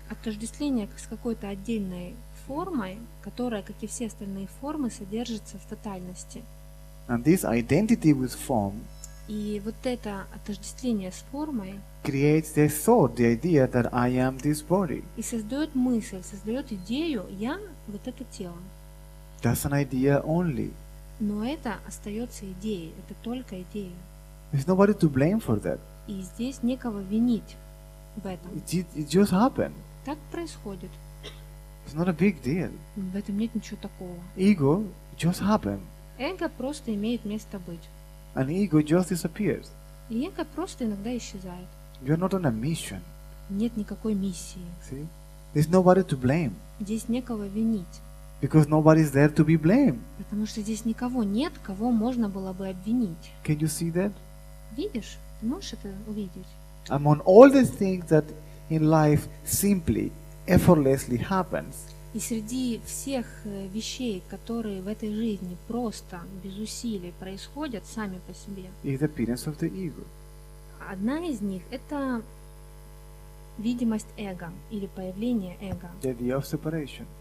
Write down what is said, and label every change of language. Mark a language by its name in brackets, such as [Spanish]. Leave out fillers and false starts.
[Russian] Отождествление с какой-то отдельной формой, которая, как и все остальные формы, содержится в тотальности. [English] And this identity with form. [Russian] И вот это отождествление с формой. [English] Creates the thought, the idea that I am this body. [Russian] И создает мысль, создает идею, я вот это тело. [English] That's an idea only. [Russian] Но это остается идеей, это только идея. [English] There's nobody to blame for that. [Russian] И здесь некого винить в этом. [English] It just happened. [Russian] Так происходит. [English] It's not a big deal. [Russian] В этом нет ничего такого. [English] Ego just happened. [Russian] Эго просто имеет место быть. [English] And ego just disappears. [Russian] И эго просто иногда исчезает. [English] You're not on a mission. [Russian] Нет никакой миссии. [English] See? There's nobody to blame. [Russian] Здесь некого винить. [English] Because nobody's there to be blamed. [Russian] Потому что здесь никого нет, кого можно было бы обвинить. [English] Can you see that? [Russian] Видишь? Ты можешь это увидеть? [English] Among all the things that in life simply, effortlessly happens. [Russian] И среди всех вещей, которые в этой жизни просто, без усилий происходят сами по себе. [English] Is the appearance of the ego. [Russian] Одна из них – это видимость эго или появление эго. [English] The idea of separation.